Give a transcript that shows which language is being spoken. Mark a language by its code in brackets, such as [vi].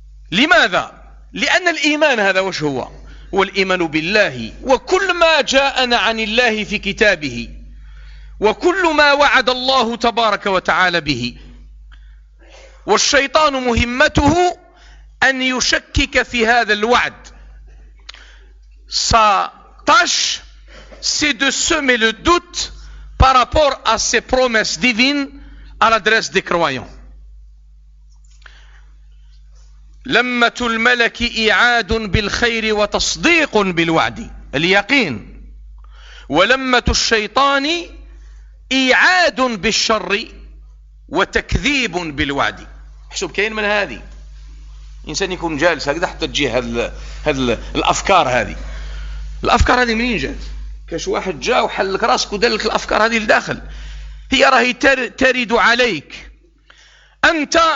[ar] لماذا؟ لأن الإيمان هذا وش هو؟ هو الإيمان بالله وكل ما جاءنا عن الله في كتابه وكل ما وعد الله تبارك وتعالى به. والشيطان مهمته أن يشكك في هذا الوعد. [fr] Sa tâche c'est de semer le doute par rapport à ces promesses divines à l'adresse des croyants. [ar] لمة الملك إعاد بالخير وتصديق بالوعد اليقين، ولمة الشيطان إعاد بالشر وتكذيب بالوعد. حسب كاين من هذه إنسان يكون جالس هكذا حتى تجي هذه الأفكار، هذه الأفكار هذه منين جات؟ كاش واحد جاء وحلك راسك ودلك الأفكار هذه لداخل، هي راهي ترد عليك أنت.